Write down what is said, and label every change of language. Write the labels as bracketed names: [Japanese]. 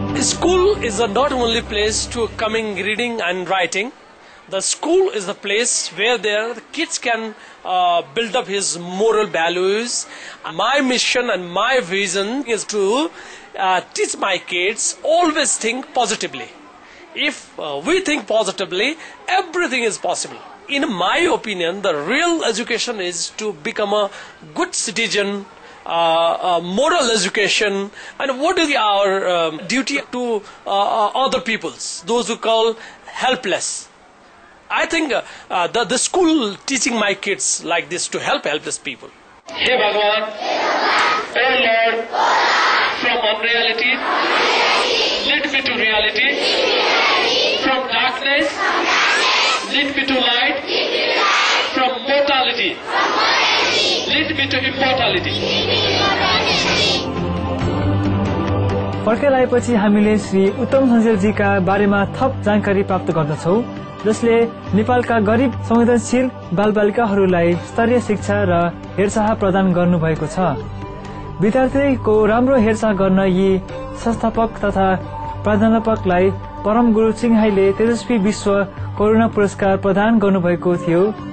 [English] School is a not only place to coming reading and writing, the school is a place where there kids can build up his moral values. My mission and my vision is to teach my kids always think positively. If we think positively, everything is possible. In my opinion, the real education is to become a good citizen, a moral education, and what is our duty to other peoples, those who call helpless. I think the school teaching my kids like this to help helpless people. Hey Bhagwan, hey Lord, from unreality, lead me to reality, from darkness, lead me to light, from mortality, lead me to immortality. [Nepali] फर्केर आएपछि हामीले श्री उत्तम सञ्जेलजीका बारेमा थप जानकारी प्राप्त गर्दछौँ, जसले नेपालका गरिब संवेदनशील बाल बालिकाहरूलाई स्तरीय शिक्षा र हेरचाह प्रदान गर्नुभएको छ। विद्यार्थीको राम्रो हेरचाह गर्न यी संस्थापक तथा प्राध्यापकलाई परम गुरु सिंहाईले तेजस्वी विश्व करूणा पुरस्कार प्रदान गर्नुभएको थियो।